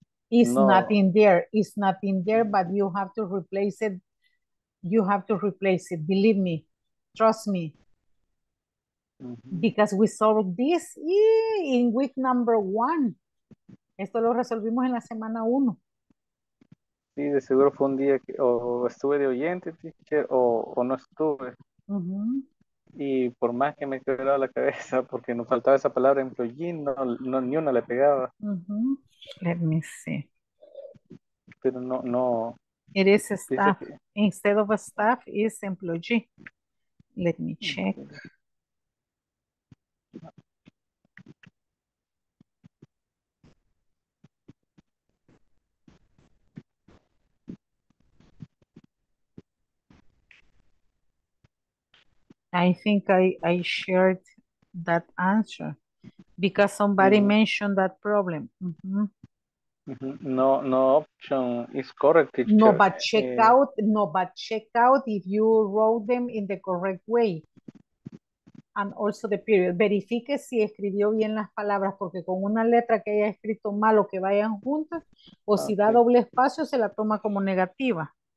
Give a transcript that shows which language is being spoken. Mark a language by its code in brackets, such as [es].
[en] is not in there. It's not in there, but you have to replace it. You have to replace it. Believe me. Trust me. Mm-hmm. Because we solved this in week number one. [es] Esto lo resolvimos en la semana 1. Sí, de seguro fue un día que o estuve de oyente, teacher, o no estuve. Uh-huh. Y por más que me quedaba la cabeza, porque nos faltaba esa palabra employee, ni una le pegaba. [en] Uh-huh. Let me see. [es] Pero no. [en] It is staff. Instead of a staff, is employee. Let me check. I think I shared that answer because somebody mentioned that problem. Mm-hmm. No option is correct, teacher. No, but check out. No, but check out if you wrote them in the correct way. And also the period. [es] Verifique si escribió bien las palabras, porque con una letra que haya escrito mal o que vayan juntas, o okay. Si da doble espacio, se la toma como negativa.